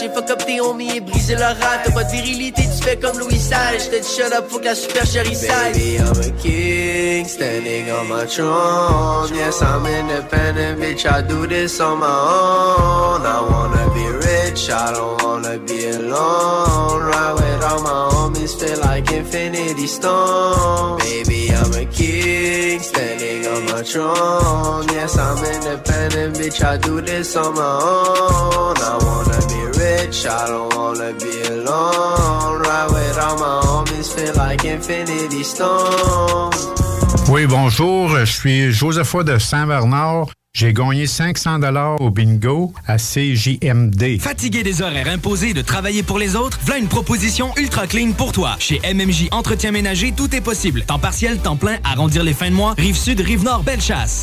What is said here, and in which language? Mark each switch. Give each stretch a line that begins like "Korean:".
French: J'ai fuck up tes homies et brisé leur rap. T'as pas de virilité, tu fais comme Louis Sage. J'te dis shut up, faut que la super chérie s'aille.
English: Baby, I'm a king, standing on my throne. Yes, I'm independent, bitch, I do this on my own. I wanna be rich, I don't wanna be alone. Ride with all my homies, feel like Infinity Stones. Baby, I'm a king, standing on my throne. Yes, I'm independent, bitch, I do this on my own. I wanna be rich, I don't wanna be alone. Ride with all my homies, feel like Infinity Stones.
French: Oui, bonjour, je suis Joseph de Saint-Bernard. J'ai gagné 500 $ au bingo à CJMD. Fatigué des horaires imposés de travailler pour les autres? V'là une proposition ultra clean pour toi. Chez MMJ Entretien Ménager, tout est possible. Temps partiel, temps plein, arrondir les fins de mois, rive sud, rive nord, belle chasse.